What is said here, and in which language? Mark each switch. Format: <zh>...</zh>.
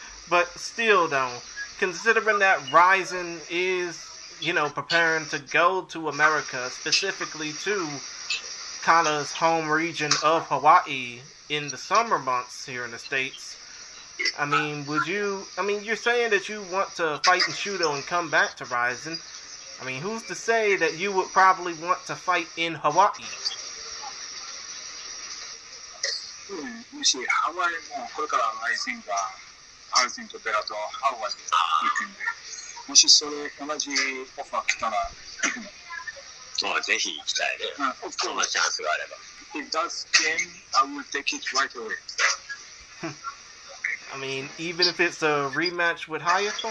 <en>But still, though, considering that Ryzen is, you know, preparing to go to America, specifically to Kana's home region of Hawaii in the summer months here in the States, you're saying that you want to fight in Shooto and come back to Ryzen. I mean, who's to say that you would probably want to fight in Hawaii?</en> <ja>もし、ハワイもこれからライジンがアルジンとベラとハワイで行くんで、もしそれ同じオファー来たら行くの。まあ、ぜひ行きたいね。そんなチャンスがあれば。</ja> <en>If that's game, I will take it right away. I mean, even if it's a rematch with Hayato?</en>